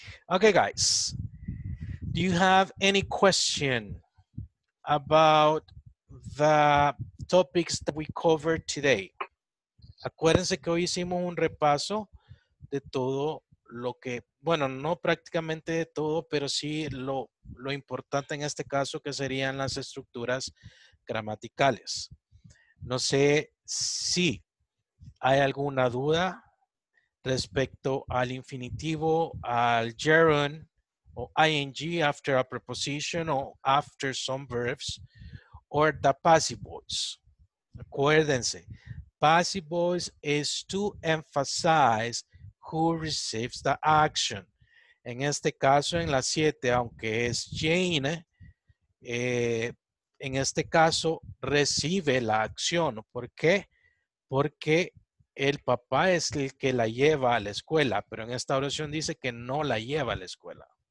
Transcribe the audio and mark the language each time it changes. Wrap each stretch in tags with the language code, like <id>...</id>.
<en>Ok, guys, do you have any question about the topics that we covered today?</en> <es>Acuérdense que hoy hicimos un repaso de todo lo que, bueno, no prácticamente de todo, pero sí lo importante en este caso, que serían las estructuras gramaticales. No sé si hay alguna duda respecto al infinitivo, al gerund o</es> <en>ing after a preposition</en> <es>o</es> <en>after some verbs or the passive voice.</en> <es>Acuérdense.</es> <en>Passive voice is to emphasize who receives the action.</en> <es>En este caso, en la 7, aunque es Jane, en este caso recibe la acción. ¿Por qué? Porque el papá es el que la lleva a la escuela, pero en esta oración dice que no la lleva a la escuela.</es>